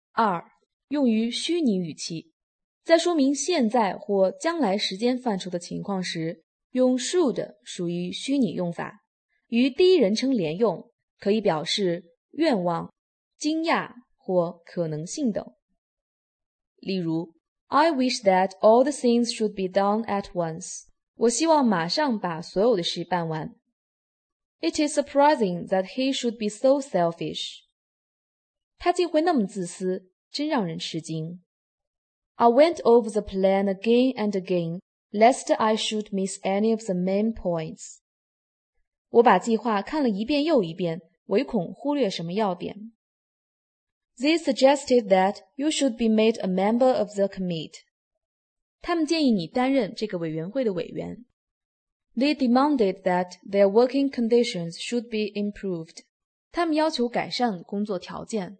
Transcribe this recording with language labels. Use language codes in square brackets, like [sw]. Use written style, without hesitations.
[zh] 二，用于虚拟语气，在说明现在或将来时间范畴的情况时，用 should 属于虚拟用法，与第一人称连用，可以表示愿望、惊讶或可能性等。例如 [en] I wish that all the things should be done at once. [zh] 我希望马上把所有的事办完。 [en] It is surprising that he should be so selfish. [zh] 他竟会那么自私，真让人吃惊。 [en] I went over the plan again and again, lest I should miss any of the main points. [zh] 我把计划看了一遍又一遍，唯恐忽略什么要点。 [en] They suggested that you should be made a member of the committee. [zh] 他们建议你担任这个委员会的委员。 [en] They demanded that their working conditions should be improved. [zh] 他们要求改善工作条件。